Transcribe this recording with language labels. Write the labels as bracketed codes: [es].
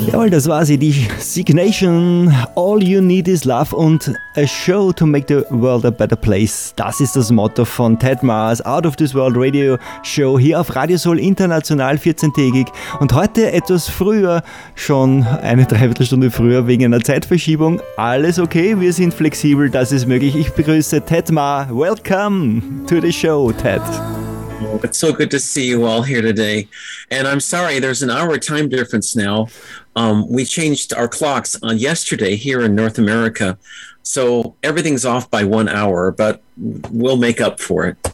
[de] Das war sie, die Signation. [en] All you need is love and a show to make the world a better place. [de] Das ist das Motto von Ted Mars, Out of This World Radio Show, hier auf Radio Soul International, 14-tägig. Und heute etwas früher, schon eine Dreiviertelstunde früher, wegen einer Zeitverschiebung. Alles okay, wir sind flexibel, das ist möglich. Ich begrüße Ted Mars. [en] Welcome to the show, Ted. It's so good to see you all here today. And I'm sorry, there's an hour time difference now. We changed our clocks on yesterday here in North America. So everything's off by 1 hour, but we'll make up for it.